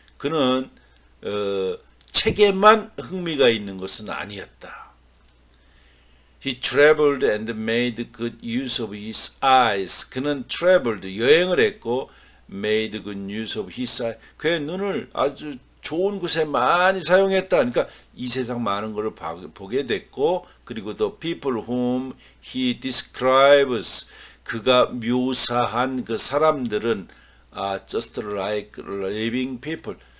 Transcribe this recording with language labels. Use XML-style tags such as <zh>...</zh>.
<ko>그는 책에만 흥미가 있는 것은 아니었다.</ko> <en>He traveled and made good use of his eyes.</en> <ko>그는</ko> <en>traveled,</en> <ko>여행을 했고,</ko> <en>made good use of his eyes.</en> <ko>그의 눈을 아주 좋은 곳에 많이 사용했다. 그러니까 이 세상 많은 것을 보게 됐고, 그리고</ko> <en>the people whom he describes,</en> <ko>그가 묘사한 그 사람들은</ko> <en>just like living people.</en>